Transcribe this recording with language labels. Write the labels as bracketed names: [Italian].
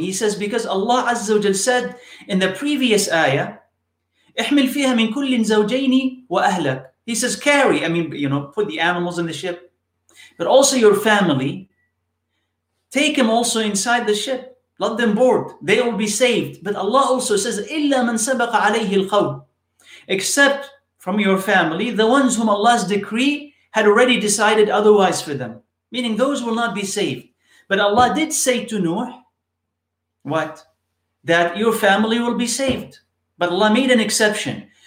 [English] He says, because Allah Azza wa Jal said in the previous ayah, [Arabic] احمل فيها من كل زوجين وأهلك. [English] He says, carry, put the animals in the ship, but also your family. Take them also inside the ship. Let them board. They will be saved. But Allah also says, [Arabic] إلا من سبق عليه القول. [English] Except from your family, the ones whom Allah's decree had already decided otherwise for them. Meaning those will not be saved. But Allah did say to Nuh, what? That your family will be saved. But Allah made an exception.